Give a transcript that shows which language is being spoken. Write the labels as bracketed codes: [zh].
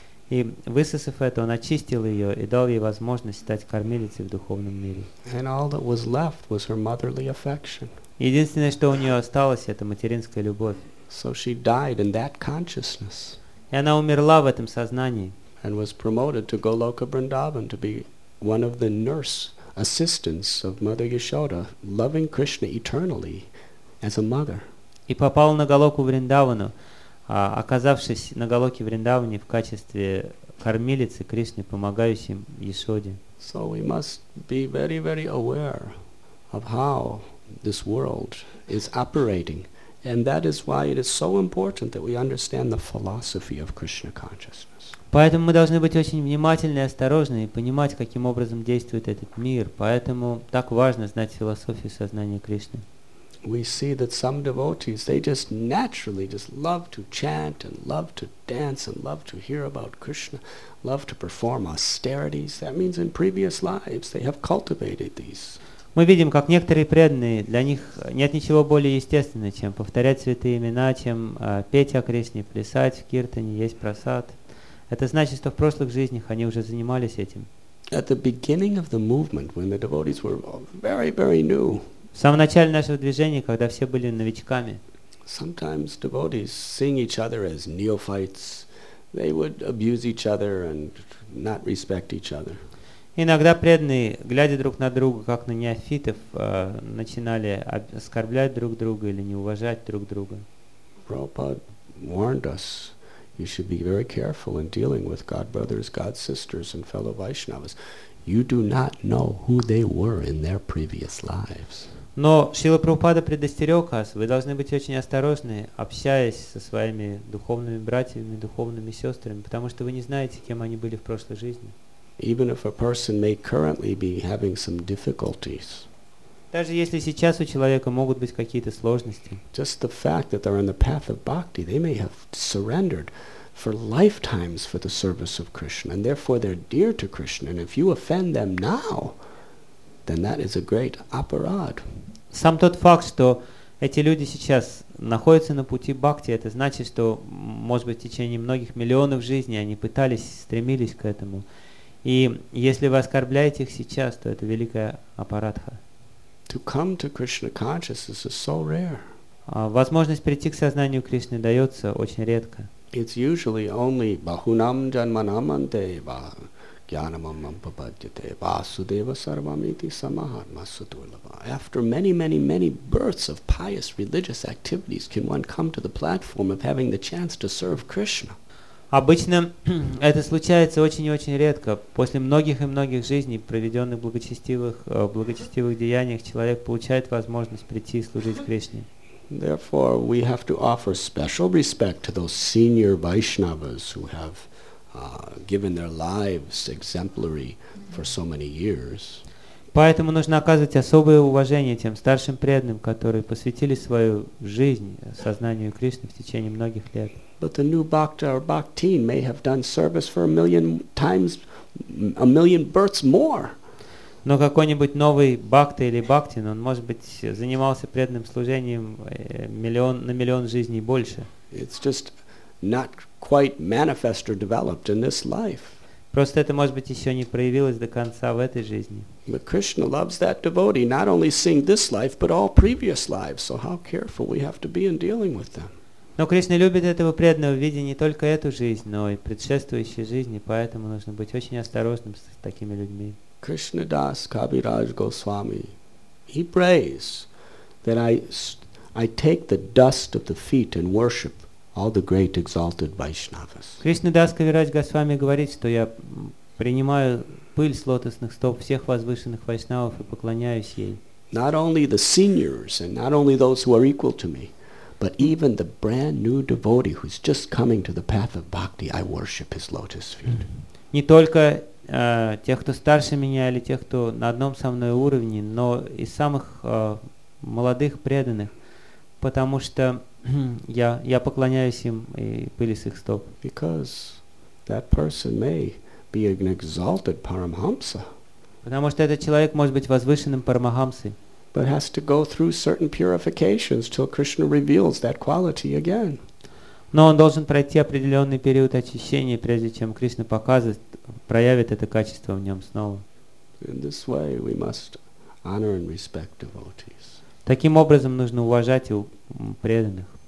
[ru] И высосав это, он очистил ее и дал ей возможность стать кормилицей в духовном мире. [en] And all that was left was her motherly affection. [ru] Единственное, что у нее осталось, это материнская любовь. [en] So she died in that consciousness. [ru] И она умерла в этом сознании. [en] And was promoted to Goloka Vrindavan to be one of the nurse assistants of Mother Yashoda, loving Krishna eternally as a mother. [ru] И попал на Голоку Вриндавану, оказавшись на Голоке Вриндаване в качестве кормилицы Кришны, помогающей Ясоде. [en] So we must be very, very aware of how this world is operating And that is why it is so important that we understand the philosophy of Krishna consciousness. [ru] Поэтому мы должны быть очень внимательны и осторожны и понимать, каким образом действует этот мир. Поэтому так важно знать философию сознания Кришны. [en] We see that some devotees, they just naturally just love to chant and love to dance and love to hear about Krishna, love to perform austerities. That means in previous lives they have cultivated these. [ru] Мы видим, как некоторые преданные, для них нет ничего более естественного, чем повторять святые имена, чем петь о Кришне, плясать в киртане, есть прасад. Это значит, что в прошлых жизнях они уже занимались этим. [en] At the beginning of the movement, when the devotees were very, very new, [ru] в самом начале нашего движения, когда все были новичками, [en] sometimes devotees seeing each other as neophytes, they would abuse each other and not respect each other. [ru] Иногда преданные, глядя друг на друга, как на неофитов, начинали оскорблять друг друга или не уважать друг друга. [en] Prabhupada warned us, you should be very careful in dealing with God brothers, God sisters and fellow Vaishnavas. You do not know who they were in their previous lives. [ru] Но Шрила Прабхупада предостерег вас, вы должны быть очень осторожны, общаясь со своими духовными братьями, духовными сестрами, потому что вы не знаете, кем они были в прошлой жизни. [en] Even if a person may currently be having some difficulties, [ru] даже если сейчас у человека могут быть какие-то сложности, [en] just the fact that they're on the path of bhakti, they may have surrendered for lifetimes for the service of Krishna, and therefore they're dear to Krishna, and if you offend them now, then that is a great aparad. [ru] Сам тот факт, что эти люди сейчас находятся на пути бхакти, это значит, что, может быть, в течение многих миллионов жизней они пытались, стремились к этому. И если вы оскорбляете их сейчас, то это великая апарадха. [en] To come to Krishna consciousness is so rare. [ru] Возможность прийти к сознанию Кришны дается очень редко. [en] It's usually only [sa] bahunam janmanamante va gyanamam mampabhajyate vasudeva sarvamiti samaharmasudurlava. [en] After many, many, many births of pious religious activities can one come to the platform of having the chance to serve Krishna. [ru] Обычно это случается очень и очень редко. После многих и многих жизней, проведенных благочестивых деяниях, человек получает возможность прийти и служить Кришне. [en] Therefore, we have to offer special respect to those senior Vaishnavas who have given their lives exemplary for so many years. [ru] Поэтому нужно оказывать особое уважение тем старшим преданным, которые посвятили свою жизнь сознанию Кришны в течение многих лет. [en] But the new bhakta or bhaktin may have done service for a million times, a million births more. [ru] Но какой-нибудь новый бхакта или бхактин, он, может быть, занимался преданным служением миллион, на миллион жизней больше. [en] It's just not quite manifest or developed in this life. [ru] Просто это, может быть, еще не проявилось до конца в этой жизни. [en] But Krishna loves that devotee, not only seeing this life, but all previous lives. So how careful we have to be in dealing with them. [ru] Но Кришна любит этого преданного, видя не только эту жизнь, но и предшествующие жизни, поэтому нужно быть очень осторожным с такими людьми. [en] Krishna Das Kaviraj Goswami, he prays that I take the dust of the feet and worship all the great exalted Vaishnavas. [ru] Krishna Das Kaviraj Goswami говорит, что я принимаю пыль с лотосных стоп всех возвышенных вайшнавов и поклоняюсь ей. [en] Not only the seniors and not only those who are equal to me, but even the brand new devotee who's just coming to the path of bhakti, I worship his lotus feet. [ru] Не только тех, кто старше меня или тех, кто на одном со мной уровне, но и самых молодых преданных, потому что я поклоняюсь им и пыли с их стоп. [en] Because that person may be an exalted paramahamsa. [ru] Потому что этот человек может быть возвышенным парамахамсой. [en] But has to go through certain purifications till Krishna reveals that quality again. [ru] Но он должен пройти определенный период очищения, прежде чем Кришна покажет, проявит это качество в нем снова. [en] In this way, we must honor and respect devotees. [ru] Таким образом, нужно уважать преданных.